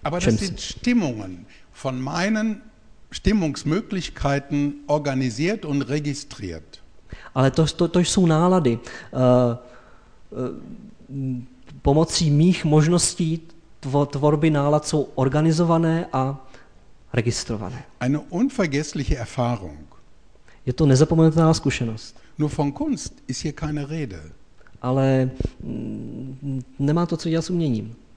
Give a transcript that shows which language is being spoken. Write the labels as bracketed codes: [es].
[de] Aber das sind Stimmungen von meinen Stimmungsmöglichkeiten organisiert und registriert. [cs] Ale to jsou nálady. Pomocí mých možností tvorby nálad jsou organizované a registrované. [de] Eine unvergessliche Erfahrung. [cs] Je to nezapomenutelná zkušenost. [de] Nur von Kunst ist hier keine Rede. [cs] Ale nemá to co dělat s uměním.